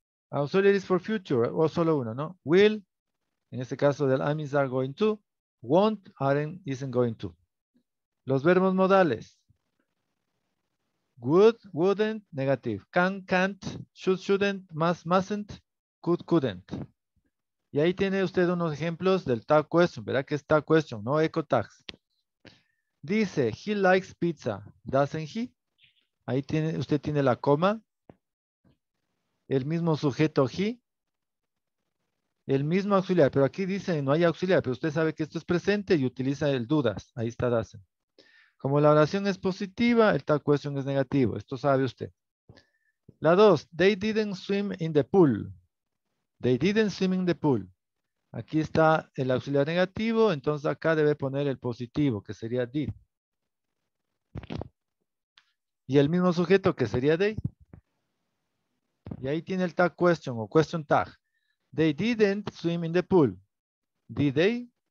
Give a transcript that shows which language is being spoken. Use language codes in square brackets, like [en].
[en] Auxiliaries for future, [es] o solo uno, ¿no? Will, en este caso del [en] am, is, are, going to. Won't, aren't, isn't, going to. [es] Los verbos modales. [en] Would, wouldn't, negative. Can, can't, should, shouldn't, must, mustn't, could, couldn't. [es] Y ahí tiene usted unos ejemplos del tag question. Verá que es tag question, no echo tags. Dice, [en] he likes pizza, doesn't he? [es] Ahí tiene, usted tiene la coma. El mismo sujeto he. El mismo auxiliar. Pero aquí dice, no hay auxiliar. Pero usted sabe que esto es presente y utiliza el dudas. Ahí está doesn't. Como la oración es positiva, el tag question es negativo. Esto sabe usted. La dos, [en] they didn't swim in the pool. They didn't swim in the pool. [es] Aquí está el auxiliar negativo. Entonces acá debe poner el positivo, que sería did. Y el mismo sujeto, que sería they. Y ahí tiene el tag question o question tag. [en] They didn't swim in the pool. Did they?